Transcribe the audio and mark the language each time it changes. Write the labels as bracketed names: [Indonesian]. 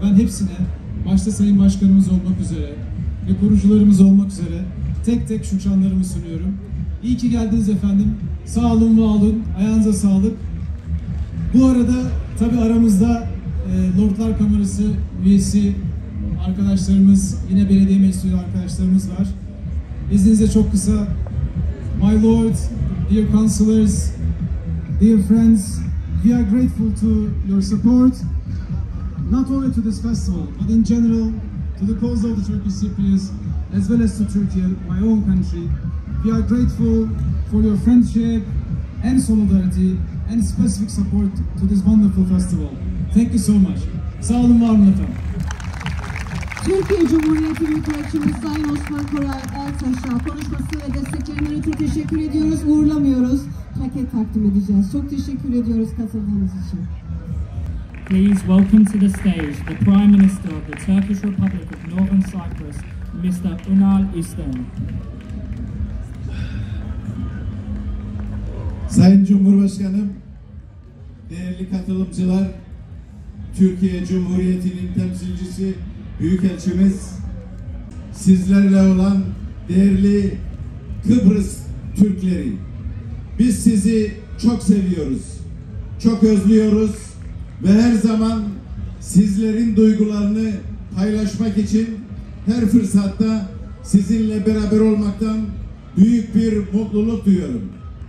[Turkish] Ben hepsine, başta Sayın Başkanımız olmak üzere ve kurucularımız olmak üzere tek tek şu çanlarımı sunuyorum. İyi ki geldiniz efendim. Sağ olun, var olun. Ayağınıza sağlık. Bu arada tabii aramızda Lordlar Kamerası üyesi arkadaşlarımız, yine belediye meclisi arkadaşlarımız var. İzninizle çok kısa. [English] My Lord, dear councillors, dear friends, we are grateful to your support, not only to this festival, but in general, to the cause of the Turkish Cypriots, as well as to Turkey, my own country. We are grateful for your friendship and solidarity and specific support to this wonderful festival. Thank you so much. [Turkish] Sağ olun, var olun efendim. Türkiye Cumhuriyeti Büyükelçimiz Sayın Osman Koray Ertaş'a konuşması ve desteklerine çok teşekkür ediyoruz. Uğurlamıyoruz. Paket takdim edeceğiz. Çok teşekkür ediyoruz katıldığınız için. [English] Please welcome to the stage the Prime Minister of the Turkish Republic of Northern Cyprus, Mr. Ünal İşten. [Turkish] Sayın Cumhurbaşkanım, değerli katılımcılar, Türkiye Cumhuriyeti'nin temsilcisi Büyükelçimiz, sizlerle olan değerli Kıbrıs Türkleri, biz sizi çok seviyoruz, çok özlüyoruz ve her zaman sizlerin duygularını paylaşmak için her fırsatta sizinle beraber olmaktan büyük bir mutluluk duyuyorum.